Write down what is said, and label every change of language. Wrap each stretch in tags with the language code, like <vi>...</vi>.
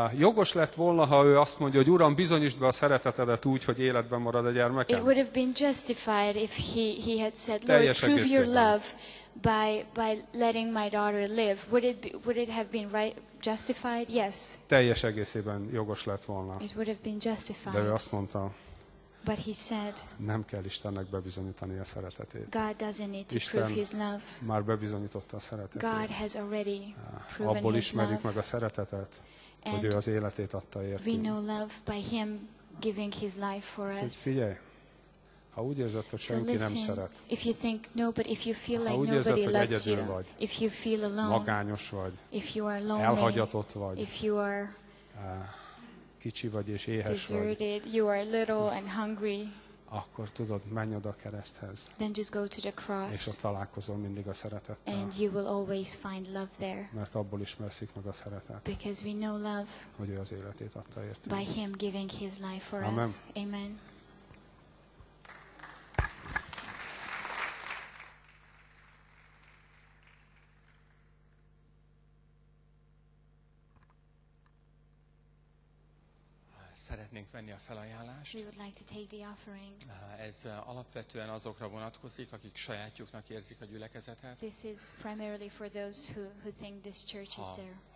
<hu>Jogos lett volna, ha ő azt mondja, hogy Uram, bizonyítsd be a szeretetedet úgy, hogy életben marad a gyermekem.</hu> <en>It would have been justified if he had said, Lord, prove your love by letting my daughter live. Would it have been right, justified? Yes.</en> <hu>Teljes egészében jogos lett volna.</hu> <en>It would have been justified.</en> <hu>De ő azt mondta,</hu> <en>but he said,</en> <hu>nem kell Istennek bebizonyítani a szeretetét.</hu> <en>God doesn't need to</en> <hu>Isten</hu> <en>prove his love.</en> <hu>Már bebizonyította a szeretetét.</hu> <en>God has already proven</en> <hu>abból</hu> <en>his</en> <hu>ismerjük</hu> <en>love.</en> <hu>Meg a szeretetet,</hu> <en>and</en> <hu>hogy ő az életét adta értünk.</hu> <en>We know love by him giving his life for us.</en> <hu>Figyelj, ha úgy érzed, hogy senki</hu> <en>so</en> <hu>nem szeret.</hu> <en>If you think nobody, if you feel like nobody</en> <hu>érzed,</hu> <en>loves</en> <hu>egyedül</hu> <en>you,</en> <hu>vagy,</hu> <en>if you feel alone,</en> <hu>magányos vagy,</hu> <en>if you are lonely,</en> <hu>elhagyatott vagy,</hu> <en>if you are</en> <hu>kicsi vagy és éhes</hu> <en>deserted,</en> <hu>vagy,</hu> <en>you are little and hungry,</en> <hu>akkor tudod, menj oda a kereszthez,</hu> <en>then just go to the cross,</en> <hu>és ott találkozol mindig a szeretettel,</hu> <en>and you will always find love there,</en> <hu>mert abból ismerszik meg a szeretet,</hu> <en>because we know love,</en> <hu>hogy ő az életét adta értünk,</hu> <en>by him giving his life for</en> <hu>amen.</hu> <en>Us. Amen.</en> <hu>Szeretnénk venni a felajánlást.</hu> <en>We would like to take the offering.</en> <hu>Ez alapvetően azokra vonatkozik, akik sajátjuknak érzik a gyülekezetet.</hu> <en>This is primarily for those who think this church is their home church.</en>